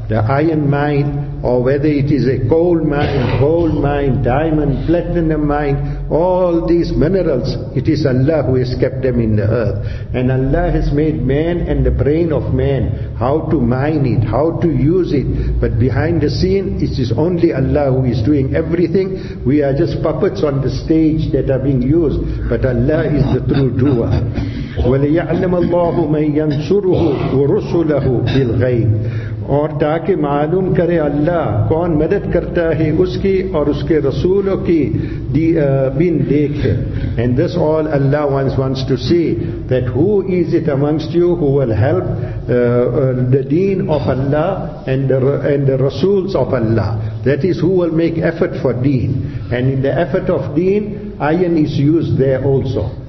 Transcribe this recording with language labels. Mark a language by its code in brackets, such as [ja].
[en] The iron mine, or whether it is a coal mine, gold mine, diamond, platinum mine, all these minerals, it is Allah who has kept them in the earth. And Allah has made man and the brain of man, how to mine it, how to use it. But behind the scene, it is only Allah who is doing everything. We are just puppets on the stage that are being used. But Allah is the true doer. [ar] وَلَيَعْلَمَ اللَّهُ مَنْ يَنْصُرُهُ وَرُسُلَهُ بِالْغَيْبِ, [ur] اور تاکہ معلوم کرے اللہ کون مدد کرتا ہے اس کی اور اس کے رسولوں کی بن دیکھے. [en] And this all Allah wants to see, that who is it amongst you who will help the deen of Allah and the rasools of Allah. That is, who will make effort for deen. And in the effort of deen, iron is used there also.